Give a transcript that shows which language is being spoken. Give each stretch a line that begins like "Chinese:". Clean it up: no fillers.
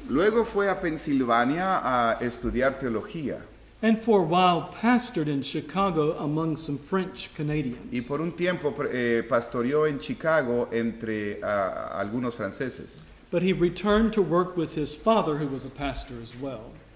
Spanish: Luego fue a Pensilvania a estudiar teología.
English: And for a while pastored in Chicago among some French Canadians.
Spanish: Y por un tiempo pastoreó en Chicago entre algunos franceses.
English: But he returned to work with his father, who was a pastor as well.